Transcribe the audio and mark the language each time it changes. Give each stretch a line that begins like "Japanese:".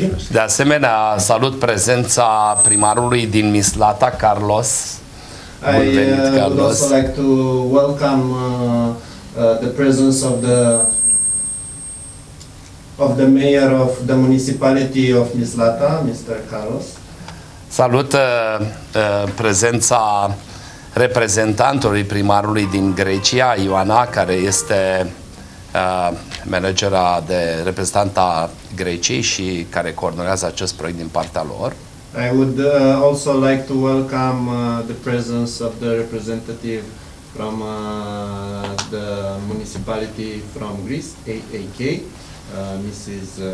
Romanian: De asemenea, salut prezența primarului din Mislata, Carlos.
English: I would also like to welcome the presence of the mayor of the municipality of Mislata, Mr. Carlos.
Romanian: Salut prezența reprezentantului primarului din Grecia, Ioana, care este managera de reprezentanta Greciei și care coordonează acest proiect din partea lor.
English: I would also like to welcome the presence of the representative from the municipality from Greece, AAK, Mrs.